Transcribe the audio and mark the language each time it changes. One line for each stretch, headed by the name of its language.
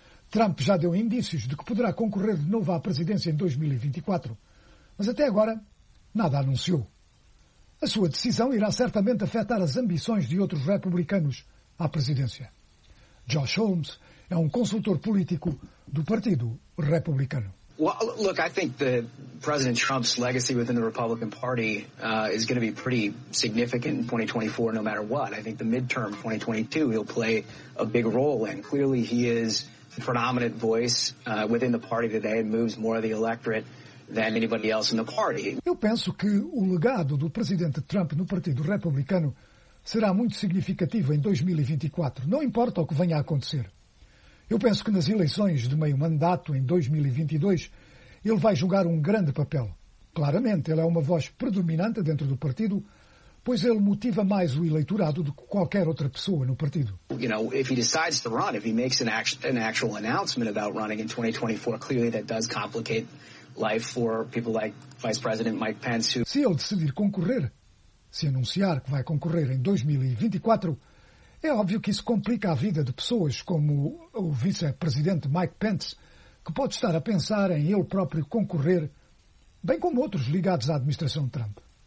Portuguese: Trump já deu indícios de que poderá concorrer de novo à presidência em 2024, mas até agora nada anunciou. A sua decisão irá certamente afetar as ambições de outros republicanos à presidência. Josh Holmes é um consultor político do Partido Republicano.
English: Well, look, I think the President Trump's legacy within the Republican Party is going to be pretty significant in 2024, no matter what. I think the midterm 2022 he'll play a big role in. Clearly, he is the predominant voice within the party today and moves more of the electorate than anybody else in the party.
Portuguese: Eu penso que o legado do Presidente Trump no Partido Republicano será muito significativo em 2024, não importa o que venha a acontecer. Eu penso que nas eleições de meio mandato, em 2022, ele vai jogar um grande papel. Claramente, ele é uma voz predominante dentro do partido, pois ele motiva mais o eleitorado do que qualquer outra pessoa no partido.
English: You know, if he decides to run, if he makes an actual announcement about running in 2024, clearly that does complicate life for people like Vice President Mike Pence.
Portuguese: Se ele decidir concorrer, se anunciar que vai concorrer em 2024, é óbvio que isso complica a vida de pessoas como o vice-presidente Mike Pence, que pode estar a pensar em ele próprio concorrer, bem como outros ligados à administração de Trump.